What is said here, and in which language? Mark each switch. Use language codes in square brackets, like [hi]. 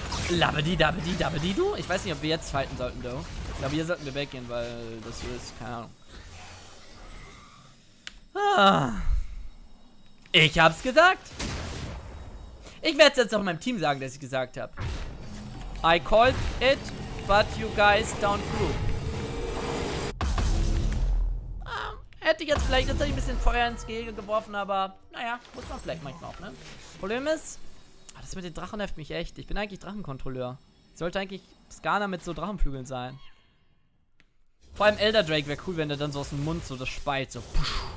[de] Labbadi dabbadi dabbadi du. Ich weiß nicht, ob wir jetzt fighten sollten, though. Ich glaube, hier sollten wir weggehen, weil das so ist. Keine Ahnung. Ich hab's gesagt. Ich werde es jetzt auch meinem Team sagen, dass ich gesagt habe. [en] I called it, but you guys don't do. [de] Hätte ich jetzt vielleicht tatsächlich ein bisschen Feuer ins Gehege geworfen, aber naja, muss man vielleicht manchmal auch, ne? Problem ist, das mit den Drachen nervt mich echt. Ich bin eigentlich Drachenkontrolleur. Ich sollte eigentlich Skarner mit so Drachenflügeln sein. Vor allem Elder Drake wäre cool, wenn der dann so aus dem Mund so das speit, so push.